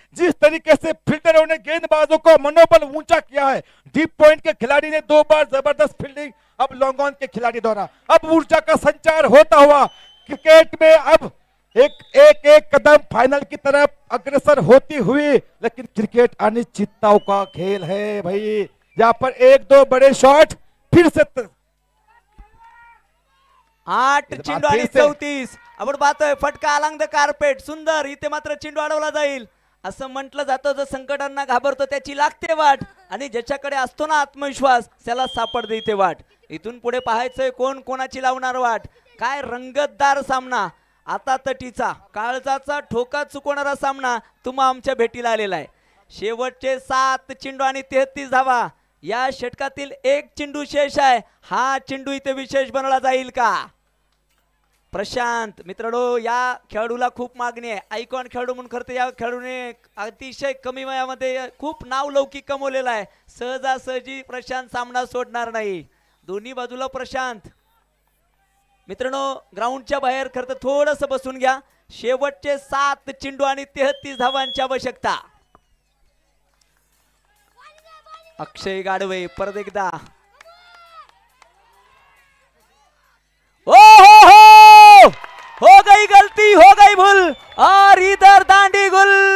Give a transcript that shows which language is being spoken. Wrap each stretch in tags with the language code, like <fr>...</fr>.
<hi>जिस तरीके से फील्डरों ने गेंदबाजों को मनोबल ऊंचा किया है, डीप पॉइंट के खिलाड़ी ने दो बार जबरदस्त फील्डिंग, अब लॉन्ग ऑन के खिलाड़ी द्वारा अब ऊर्जा का संचार होता हुआ क्रिकेट में अब एक एक एक कदम फाइनल की तरफ अग्रसर होती हुई। लेकिन क्रिकेट अनिश्चितताओं का खेल है भाई, यहाँ पर एक दो बड़े शॉट, फिर से</hi> <mr>8 चेंडू आणि 34 आपण पाहतोय फटका</mr> <en>along the carpet,</en> <mr>सुंदर इथे मात्र चेंडू अडवला जाईल असं म्हटलं जातं, जो संकटांना घाबरतो त्याची लागते वाट, आणि ज्याच्याकडे असतो ना आत्मविश्वास त्याला सापडते इथे वाट। इथून पुढे पाहायचंय कोण कोणाची लावणार वाट, काय रंगतदार सामना, आता तटीचा काळजाचा ठोका चुकवणारा सामना तुम्हा आमच्या भेटीला आलेला आहे। शेवटचे 7 चेंडू आणि 33 धावा, या षटकातील एक चेंडू शेष आहे, हा चेंडू इथे विशेष बनला जाईल का? प्रशांत मित्रांनो या खेळाडूला खूप मागणी आहे, आयकॉन खेळाडू म्हणून खरं तर या खेळाडूने अतिशय कमी वयामध्ये खूप नाव लौकिक कमवलेलं आहे, सहजासहजी प्रशांत सामना सोडणार नाही। दोन्ही बाजूला प्रशांत, मित्रांनो ग्राउंडच्या बाहेर खरं तर थोडंसं बसून घ्या, शेवटचे 7 चेंडू आणि 33 धावांची आवश्यकता।</mr> <hi>अक्षय गाडवे</hi> <mr>परत एकदा,</mr> <hi>ओ हो हो, हो गई गलती, हो गई भूल, और इधर दांडी गुल।</hi>